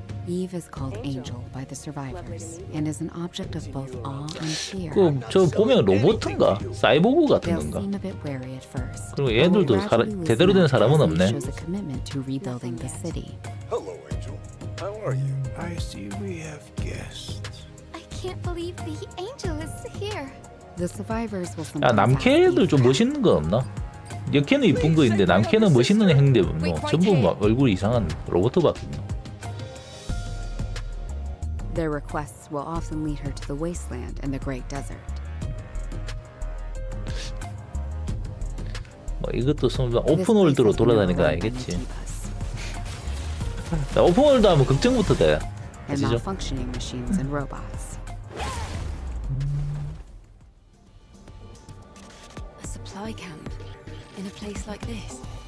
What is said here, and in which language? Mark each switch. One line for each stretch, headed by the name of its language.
English: Eve is called Angel by the survivors and is an object of both awe and fear.
Korean: 그 저 보면 로봇인가? 사이보그 같은 건가? 그리고 얘들도 제대로 된 사람은 없네.
English: Hello, Angel. How are you? I see we have guests. I can't believe the angel is here. The survivors will come.
Korean: 아, 남캐들 좀 멋있는 거 없나? 여캐는 이쁜 거인데 남캐는 멋있는 행대 뭐 전부 막 얼굴 이상한 로봇 같은데.
English: Their requests will often lead her to the wasteland and the great desert.
Korean: 뭐 이것도 선수 오픈 월드로 돌아다니는 거 아니겠지? 나 오픈 월드 하면 걱정부터 돼. 아시죠?
English: Functioning machines and robots. A supply camp in a place like this.